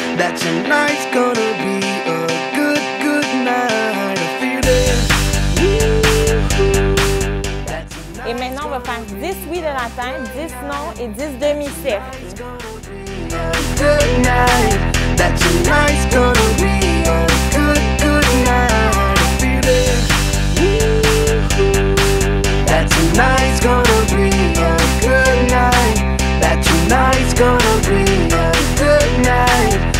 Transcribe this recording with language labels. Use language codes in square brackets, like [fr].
[en] That tonight's gonna be a good, good night. I feel it. [fr] Et maintenant, on va faire 10 oui de la tête, 10 non et 10 demi-cercles. [en] Good night. That tonight's gonna be a good, good night. I feel it. That tonight's gonna be a good night. That tonight's gonna be a good night.